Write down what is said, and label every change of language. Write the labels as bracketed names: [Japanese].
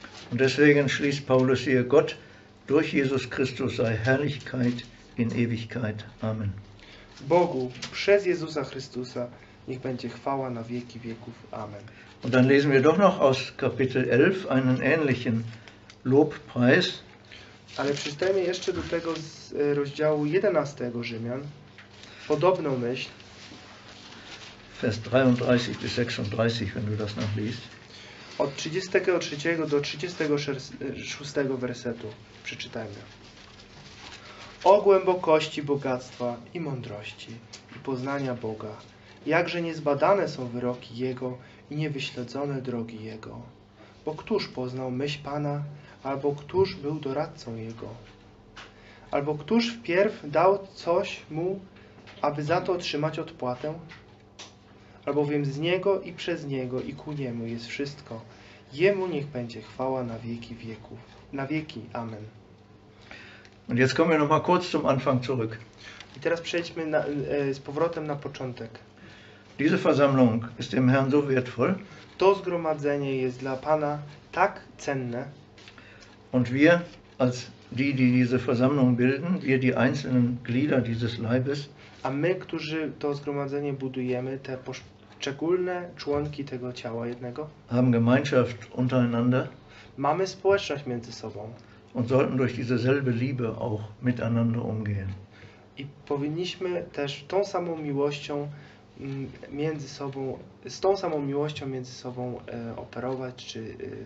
[German] Und deswegen schließt Paulus hier: Gott durch Jesus Christus sei Herrlichkeit in Ewigkeit. Amen. [Polish] Bogu przez Jezusa Chrystusa niech będzie chwała na wieki wieków. Amen. [German] Und dann lesen wir doch noch aus Kapitel 11 einen ähnlichen Lobpreis. [Polish] Ale przystajmy jeszcze do tego z rozdziału 11 Rzymian. Podobną myśl. [German] Vers 33 bis 36, wenn du das noch liest. [Polish] Od 33 do 36 wersetu przeczytajmy. O głębokości bogactwa i mądrości i poznania Boga, jakże niezbadane są wyroki Jego i niewyśledzone drogi Jego. Bo któż poznał myśl Pana, albo któż był doradcą Jego? Albo któż wpierw dał coś Mu, aby za to otrzymać odpłatę? Albowiem z Niego i przez Niego i ku Niemu jest wszystko. Jemu niech będzie chwała na wieki wieków. Na wieki. Amen. [German] Und jetzt kommen wir noch mal kurz zum Anfang zurück. [Polish] I teraz przejdźmy z powrotem na początek. [German] Diese Versammlung ist dem Herrn so wertvoll. [Polish] To zgromadzenie jest dla Pana tak cenne. [German] Und wir, als die, die diese Versammlung bilden, wir die einzelnen Glieder dieses Leibes, [Polish] a my, którzy to zgromadzenie budujemy, te poszczególne członki tego ciała jednego, [German] haben Gemeinschaft untereinander, [Polish] mamy społeczność między sobą [German] und sollten durch dieselbe Liebe auch miteinander umgehen. [Polish] I powinniśmy też tą samą miłością między sobą, z tą samą miłością między sobą operować, czy